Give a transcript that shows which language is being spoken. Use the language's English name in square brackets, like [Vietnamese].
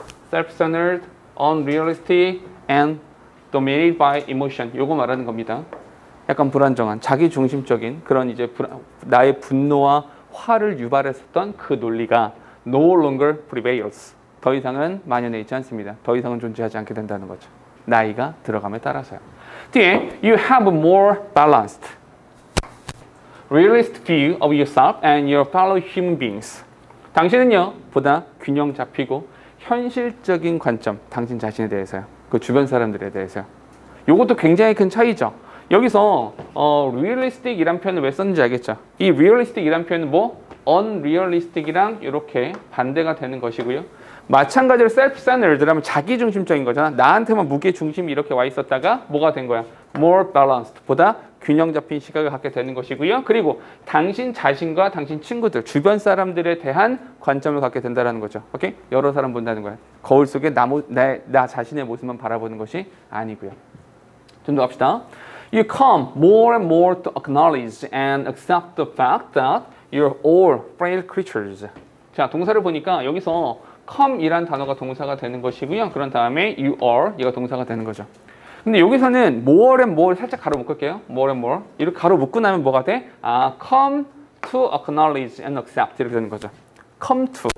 [English] Self-centered, unrealistic, and dominated by emotion. [Korean] 이거 말하는 겁니다. 약간 불안정한, 자기중심적인 그런 이제 나의 분노와 화를 유발했었던 그 논리가 [English] no longer prevails. [Korean] 더 이상은 만연해 있지 않습니다. 더 이상은 존재하지 않게 된다는 거죠. 나이가 들어감에 따라서요. 뒤에 [English] you have a more balanced realist view of yourself and your fellow human beings. [Korean] 당신은요, 보다 균형 잡히고 현실적인 관점, 당신 자신에 대해서요. 그 주변 사람들에 대해서요. 이것도 굉장히 큰 차이죠. 여기서 realistic이란 표현을 왜 썼는지 알겠죠? 이 realistic이란 표현은 뭐? unrealistic이랑 이렇게 반대가 되는 것이고요. 마찬가지로 self-centered라면 자기중심적인 거잖아. 나한테만 무게중심이 이렇게 와 있었다가 뭐가 된 거야? [English] more balanced, [Korean] 보다 균형 잡힌 시각을 갖게 되는 것이고요. 그리고 당신 자신과 당신 친구들, 주변 사람들에 대한 관점을 갖게 된다는 거죠. 오케이? 여러 사람 본다는 거야. 거울 속에 나 자신의 모습만 바라보는 것이 아니고요. 좀 더 합시다. [English] You come more and more to acknowledge and accept the fact that you're all frail creatures. [Korean] 자, 동사를 보니까 여기서 come이란 단어가 동사가 되는 것이고요. 그런 다음에 [English] you are, [Korean] 얘가 동사가 되는 거죠. 근데 여기서는 [English] more and more [Korean] 살짝 가로 묶을게요. more and more. 이렇게 가로 묶고 나면 뭐가 돼? [English] 아, come to acknowledge and accept. [Korean] 이렇게 되는 거죠. [English] come to.